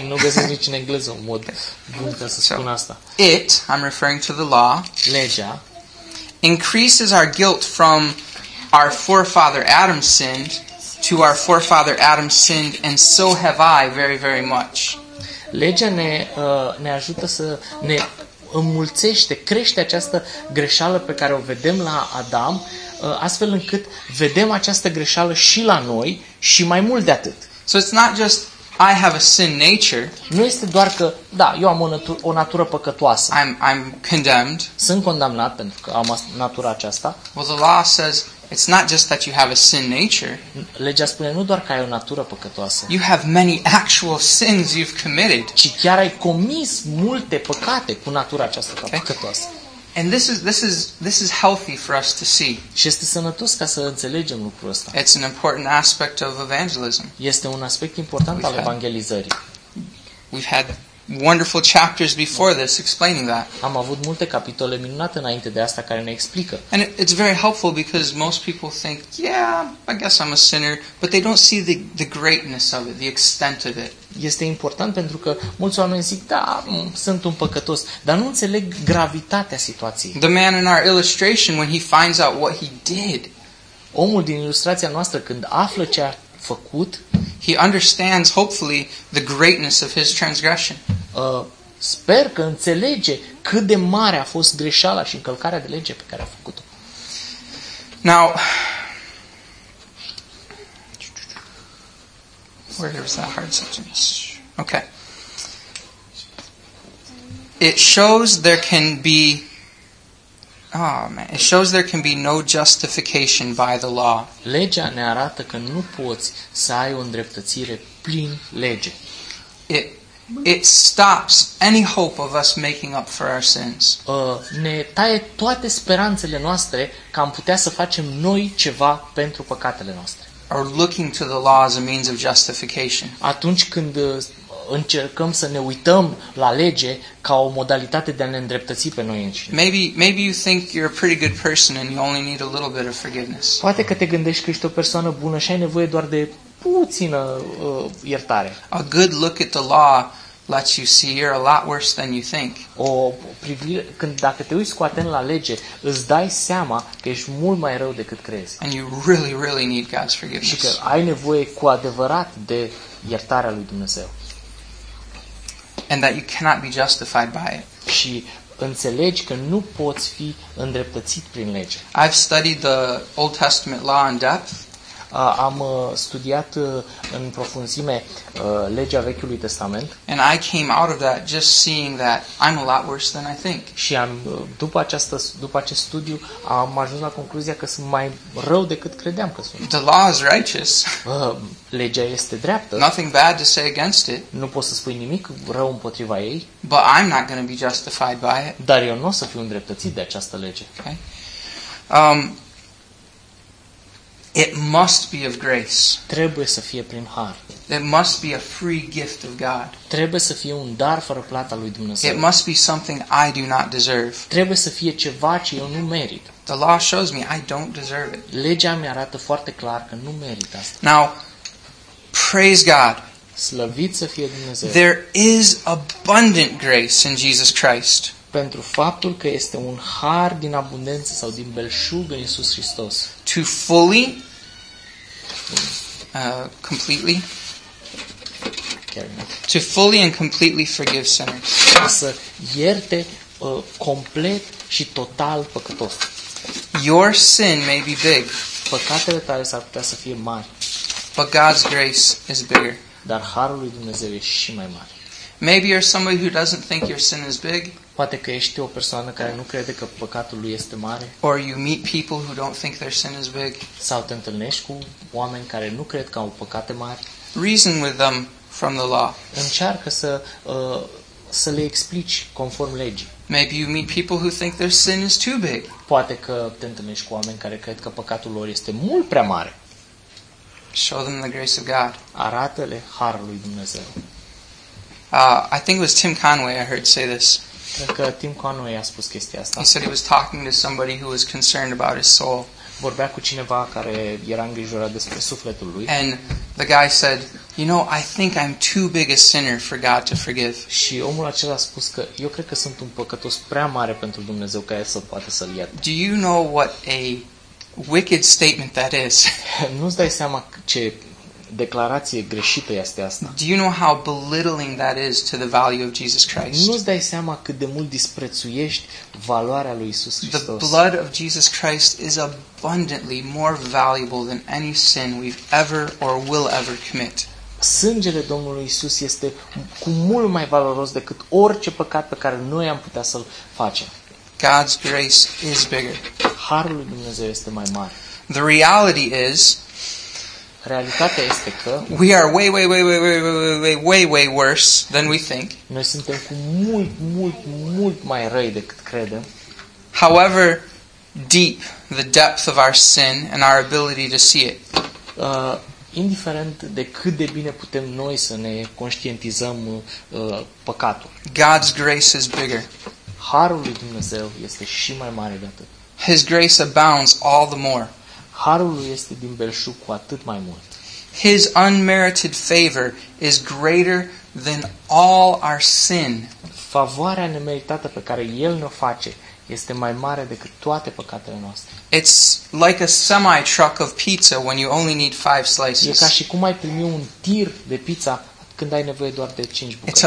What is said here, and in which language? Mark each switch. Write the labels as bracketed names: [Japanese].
[Romanian] Nu găsesc nici în engleză un mod bun ca să spun asta. [English] It, I'm referring to the law, [Romanian] legea, [English] increases our guilt from our forefather Adam's sin to our forefather Adam sinned, and so have I very, very much. [Romanian] Legea ne ajută să ne înmulțește, crește această greșeală pe care o vedem la Adam, astfel încât vedem această greșeală și la noi și mai mult de atât. [English] So it's not just I have a sin nature. [Romanian] Nu este doar că, da, eu am o natură păcătoasă. [English] I'm condemned. [Romanian] Sunt condamnat pentru că am natura aceasta. [English] Well, the law says it's not just that you have a sin nature. [Romanian] Legea spune nu doar că ai o natură păcătoasă. [English] You have many actual sins you've committed. [Romanian] Ci chiar ai comis multe păcate cu natura aceasta ta păcătoasă. [English] And this is healthy for us to see. [Romanian] Și este sănătos ca să înțelegem lucrul ăsta. [English] It's an important aspect of evangelism. [Romanian] Este un aspect important al evangelizării. [English] We've had wonderful chapters before this explaining that. [Romanian] Am avut multe capitole minunate înainte de asta care ne explică. [English] And it's very helpful because most people think, yeah, I guess I'm a sinner, but they don't see the greatness of it, the extent of it. [Romanian] Este important pentru că mulți oameni zic, da, sunt un păcătos, dar nu înțeleg gravitatea situației. [English] The man in our illustration, when he finds out what he did, [Romanian] omul din ilustrația noastră când află ce a făcut, [English] he understands, hopefully, the greatness of his transgression. [Romanian] Sper că înțelege cât de mare a fost greșeala și încălcarea de lege pe care a făcut-o. [English] Now, where is that hard section? Okay. It shows there can be, oh man, it shows there can be no justification by the law. [Romanian] Legea ne arată că nu poți să ai o îndreptățire prin lege. [English] It stops any hope of us making up for our sins. [Romanian] Ne taie toate speranțele noastre că am putea să facem noi ceva pentru păcatele noastre. [English] Or looking to the law as a means of justification. [Romanian] Atunci când încercăm să ne uităm la lege ca o modalitate de a ne îndreptăți pe noi înșine. [English] Maybe you think you're a pretty good person and you only need a little bit of forgiveness. [Romanian] Poate că te gândești că ești o persoană bună și ai nevoie doar de puțină iertare. [English] A good look at the law lets you see you're a lot worse than you think. [Romanian] O privire, când dacă te uiți cu atent la lege, îți dai seama că ești mult mai rău decât crezi. [English] And you really, really need God's forgiveness. [Romanian] Și că ai nevoie cu adevărat de iertarea lui Dumnezeu. [English] And that you cannot be justified by it. [Romanian] Și înțelegi că nu poți fi îndreptățit prin lege. [English] I've studied the Old Testament law in depth. [Romanian] Am studiat în profunzime legea Vechiului Testament. [English] And I came out of that just seeing that I'm a lot worse than I think. [Romanian] Și după acest studiu am ajuns la concluzia că sunt mai rău decât credeam că sunt. [English] The law is righteous. [Romanian] Legea este dreaptă. [English] Nothing bad to say against it. [Romanian] Nu poți să spui nimic rău împotriva ei. [English] But I'm not going to be justified by it. [Romanian] Dar eu nu o să fiu îndreptățit de această lege. [English] Okay. It must be of grace. [Romanian] Trebuie să fie prin har. [English] It must be a free gift of God. [Romanian] Trebuie să fie un dar fără plată lui Dumnezeu. [English] It must be something I do not deserve. [Romanian] Trebuie să fie ceva ce eu nu merit. [English] The law shows me I don't deserve it. [Romanian] Legea mi arată foarte clar că nu merit asta. [English] Now, praise God. [Romanian] Slăvit să fie Dumnezeu. [English] There is abundant grace in Jesus Christ. [Romanian] Pentru faptul că este un har din abundență sau din belșug în Iisus Hristos. [English] To fully, completely, to fully and completely forgive sinners. [Romanian] Ca să ierte complet și total păcătos. [English] Your sin may be big. [Romanian] Păcatele tale s-ar putea să fie mari. [English] But God's grace is bigger. [Romanian] Dar harul lui Dumnezeu e și mai mare. [English] Maybe you're somebody who doesn't think your sin is big. [Romanian] Poate că ești o persoană care nu crede că păcatul lui este mare. [English] Or you meet people who don't think their sin is big. [Romanian] Sau te întâlnești cu oameni care nu cred că au păcate mari. [English] Reason with them from the law. [Romanian] Încearcă să le explici conform legii. [English] Maybe you meet people who think their sin is too big. [Romanian] Poate că te întâlnești cu oameni care cred că păcatul lor este mult prea mare. [English] Show them the grace of God. [Romanian] Arată-le harul lui Dumnezeu. [English] I think it was Tim Conway I heard say this. [Romanian] Cred că Tim Conway a spus chestia asta. [English] He said he was talking to somebody who was concerned about his soul. [Romanian] Vorbea cu cineva care era îngrijorat despre sufletul lui. [English] And the guy said, "You know, I think I'm too big a sinner for God to forgive." [Romanian] Și omul acela a spus că eu cred că sunt un păcătos prea mare pentru Dumnezeu ca el să poată să-l ierte. [English] Do you know what a wicked statement that is. [Romanian] Nu-ți dai seama ce declarație greșită este asta. [English] Do you know how belittling that is to the value of Jesus Christ? [Romanian] Nu-ți dai seama cât de mult disprețuiești valoarea lui Iisus Hristos. [English] The blood of Jesus Christ is abundantly more valuable than any sin we've ever or will ever commit. [Romanian] Sângele Domnului Iisus este cu mult mai valoros decât orice păcat pe care noi am putea să-l facem. [English] God's grace is bigger. [Romanian] Harul lui Dumnezeu este mai mare. [English] The reality is, [Romanian] realitatea este că [English] we are way, way, way, way, way, way, way, way, way, way worse than we think. [Romanian] Noi suntem cu mult, mult, mult mai răi decât credem. [English] However deep the depth of our sin and our ability to see it. [Romanian] Indiferent de cât de bine putem noi să ne conștientizăm păcatul. [English] God's grace is bigger. [Romanian] Harul lui Dumnezeu este și mai mare de atât. [English] His grace abounds all the more. [Romanian] Harul lui este din belșug cu atât mai mult. [English] His unmerited favor is greater than all our sin. [Romanian] Favoarea nemeritată pe care El ne-o face este mai mare decât toate păcatele noastre. [English] It's like a semi truck of pizza when you only need 5 slices. [Romanian] E ca și cum ai primi un tir de pizza când ai nevoie doar de 5 bucăți.